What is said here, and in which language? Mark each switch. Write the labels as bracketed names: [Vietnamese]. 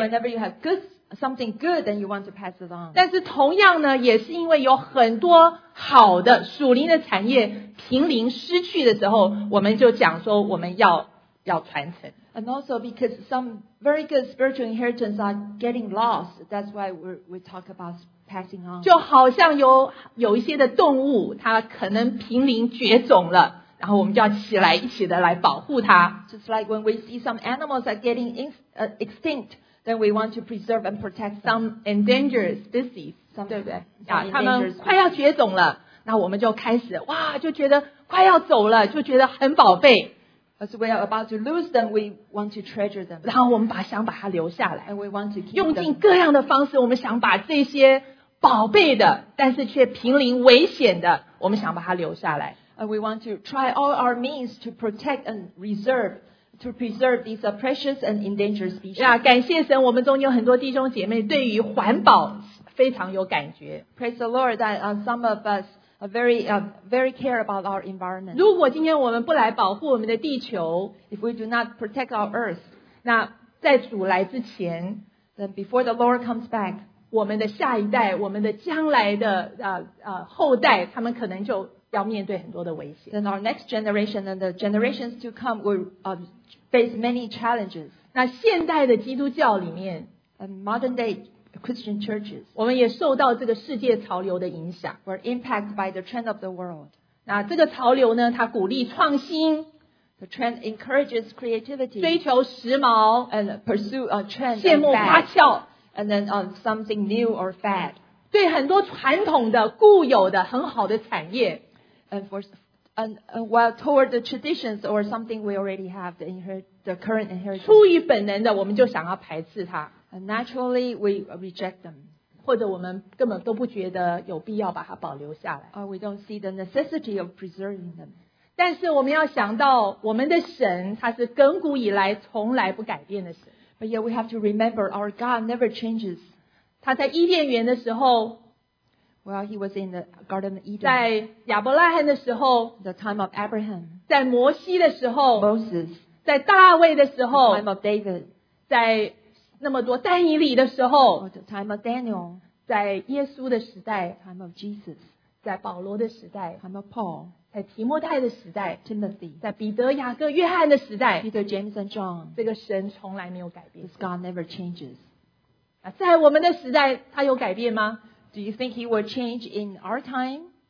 [English] Whenever you have good, something good, then you want to pass it on. [Chinese] 但是同样呢也是因为有很多好的属灵的产业濒临失去的时候我们就讲说我们要传承 [English] And also because some very good spiritual inheritance are getting lost, that's why we talk about spiritual. [Chinese] 就好像有一些的动物它可能濒临绝种了然后我们就要起来一起的来保护它 [English] Just like when we see some animals are getting extinct then we want to preserve and protect some endangered species [Chinese] 对不对它们快要绝种了那我们就开始哇就觉得快要走了就觉得很宝贝 [English] As we are about to lose them, we want to treasure them. [Chinese] 然后我们想把它留下来。 [English] And we want to keep them. [Chinese] 用尽各样的方式，我们想把这些宝贝的，但是却濒临危险的，我们想把它留下来。 [English] And we want to try all our means to protect and reserve, to preserve these precious and endangered species. [Chinese] 呀，感谢神，我们中有很多弟兄姐妹对于环保非常有感觉。 [English] Praise the Lord that some of us. Very care about our environment. [Chinese] 如果今天我们不来保护我们的地球 [English] ，if we do not protect our earth， [Chinese] 那在主来之前 [English] ，then before the Lord comes back， [Chinese] 我们的下一代，我们的将来的后代，他们可能就要面对很多的危险。 [English] Then our next generation and the generations to come will face many challenges. [Chinese] 那现代的基督教里面 [English] ，and modern day. Christian churches. [Chinese] 我们也受到这个世界潮流的影响。 [English] We're impacted by the trend of the world. [Chinese] 那这个潮流呢，它鼓励创新。 [English] The trend encourages creativity. [Chinese] 追求时髦 [English] and pursue a trend. [Chinese] 羡慕花俏 [English] and then something new or fad. [Chinese] 对很多传统的固有的很好的产业 [English] and toward the traditions or something we already have the current inheritance. [Chinese] 出于本能的，我们就想要排斥它。 [English] And naturally, we reject them. [Chinese] 或者我们根本都不觉得有必要把它保留下来。 [English] We don't see the necessity of preserving them. [Chinese] 但是我们要想到我们的神他是亘古以来从来不改变的神。 [English] But yet we have to remember our God never changes. [Chinese] 他在伊甸园的时候 [English] Well, he was in the Garden of Eden. [Chinese] 在亚伯拉罕的时候 [English] The time of Abraham. [Chinese] 在摩西的时候 [English] Moses. [Chinese] 在大卫的时候 [English] The time of David. [Chinese] 在那么多但以理的时候 [English] the time of Daniel, [Chinese] 在耶稣的时代 [English] time of Jesus, [Chinese] 在保罗的时代 [English] time of Paul, [Chinese] 在提摩太的时代 [English] Timothy, [Chinese] 在彼得雅各约翰的时代 [English] Peter, James and John, [Chinese] 这个神从来没有改变 [English] This God never changes. [Chinese] 在我们的时代他有改变吗 [English] Do you think he will change in our time?